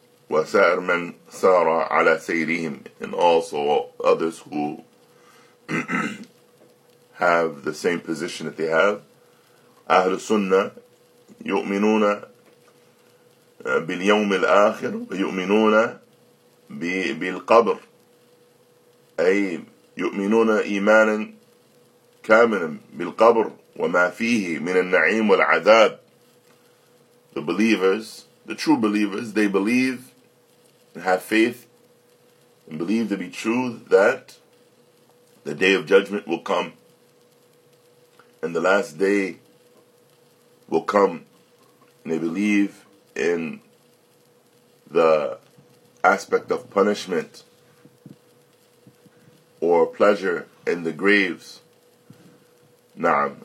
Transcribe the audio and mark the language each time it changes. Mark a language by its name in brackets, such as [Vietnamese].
[Arabic] وسائر من سار على سيرهم, [English] and also others who have the same position that they have. [Arabic] أهل السنة يؤمنون باليوم الآخر ويؤمنون بالقبر, أي يؤمنون إيمانا كاملا بالقبر وما فيه من النعيم والعذاب. [English] The believers, the true believers, they believe and have faith and believe to be true that the day of judgment will come and the last day will come, and they believe in the aspect of punishment or pleasure in the graves. Na'am.